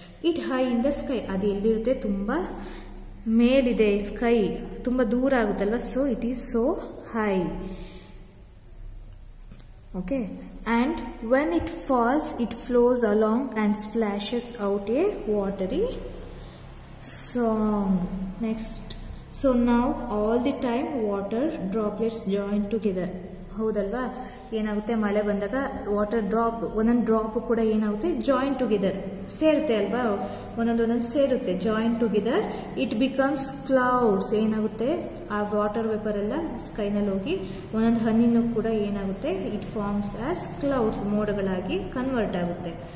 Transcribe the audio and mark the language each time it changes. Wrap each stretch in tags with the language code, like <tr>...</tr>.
<en>it high in the sky,</en> <kn>ಅದು ಎಲ್ಲಿರುತ್ತೆ, ತುಂಬ ಮೇಲಿದೆ ಸ್ಕೈ, ತುಂಬ ದೂರ ಆಗುತ್ತಲ್ವ,</kn> <en>So it is so high. Okay, and when it falls it flows along and splashes out a watery song. Next. So now all the time water droplets join together.</en> <kn>ಹೌದಲ್ವಾ? ಏನಾಗುತ್ತೆ ಮಳೆ ಬಂದಾಗ ವಾಟರ್ ಡ್ರಾಪ್ ಒಂದೊಂದು drop ಕೂಡ ಏನಾಗುತ್ತೆ join together ಸೇರುತ್ತೆ ಅಲ್ವಾ, ಒಂದೊಂದು ಒಂದೊಂದು ಸೇರುತ್ತೆ</kn> <en>Join together it becomes clouds.</en> <kn>ಏನಾಗುತ್ತೆ ಆ ವಾಟರ್ ವೇಪರ್ ಎಲ್ಲ ಸ್ಕೈನಲ್ಲಿ ಹೋಗಿ ಒಂದೊಂದು ಹನಿನೂ ಕೂಡ ಏನಾಗುತ್ತೆ</kn> <en>it forms as clouds,</en> <kn>ಮೋಡಗಳಾಗಿ convert ಆಗುತ್ತೆ.</kn>